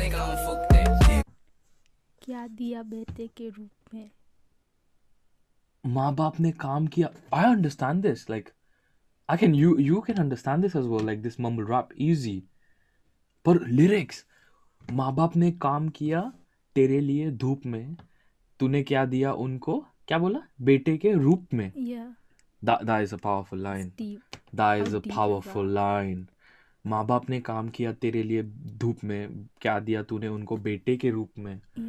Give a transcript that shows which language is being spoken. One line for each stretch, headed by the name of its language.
Hindi: क्या दिया बेटे के रूप में? माँ बाप ने काम किया.
English: I understand this. Like, I can you can understand this as well. Like this mumble rap, easy.
Hindi: पर lyrics, माँ बाप ने काम किया तेरे लिए धूप में, तूने क्या दिया उनको? क्या बोला? बेटे के रूप में.
English: Yeah. That is a powerful line. Deep. That is a powerful line.
Hindi: माँ बाप ने काम किया तेरे लिए धूप में, क्या दिया तूने उनको बेटे के रूप में.